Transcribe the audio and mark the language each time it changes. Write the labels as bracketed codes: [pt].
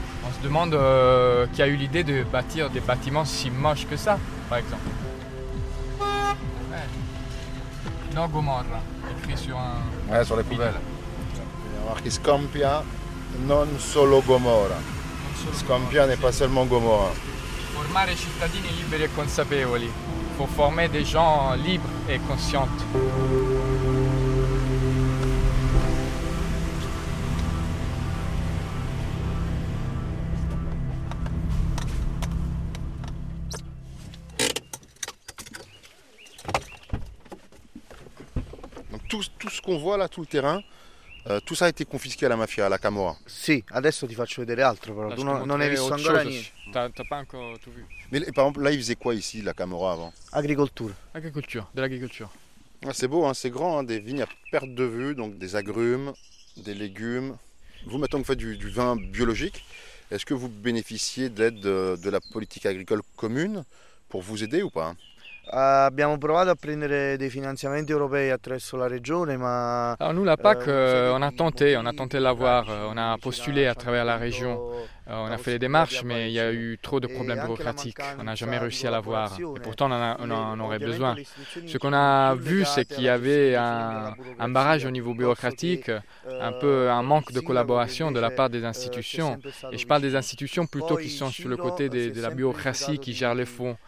[fr] On se demande qui a eu l'idée de bâtir des bâtiments si moches que ça, par exemple. No Gomorra, écrit sur un... Ouais, sur les poubelles. Il y a marqué Scampia, [it] non solo Gomorra. [fr] Scampia n'est pas seulement Gomorra. [it] Formare cittadini liberi e consapevoli. [fr] Il faut former des gens libres et conscients. Tout ce qu'on voit là, tout le terrain, tout ça a été confisqué à la mafia, à la Camorra. [it] Si, adesso ti faccio vedere altro, però. Tu non hai visto ancora niente. [fr] T'as pas encore tout vu. Mais par exemple, là, ils faisaient quoi ici, la Camorra, avant? Agriculture. Agriculture, de l'agriculture. Ah, c'est beau, hein, c'est grand, hein, des vignes à perte de vue, donc des agrumes, des légumes. Vous, maintenant que vous faites du vin biologique, est-ce que vous bénéficiez d'aide de la politique agricole commune pour vous aider ou pas? [it] Abbiamo provato a prendere dei finanziamenti europei attraverso la regione, ma... [fr] Alors nous, la PAC, on a tenté de l'avoir, on a postulé à travers la région, on a fait les démarches, mais il y a eu trop de problèmes bureaucratiques, on n'a jamais réussi à l'avoir, et pourtant on en aurait besoin. Ce qu'on a vu, c'est qu'il y avait un barrage au niveau bureaucratique, un peu un manque de collaboration de la part des institutions, et je parle des institutions plutôt qui sont sur le côté de la bureaucratie qui gère les fonds.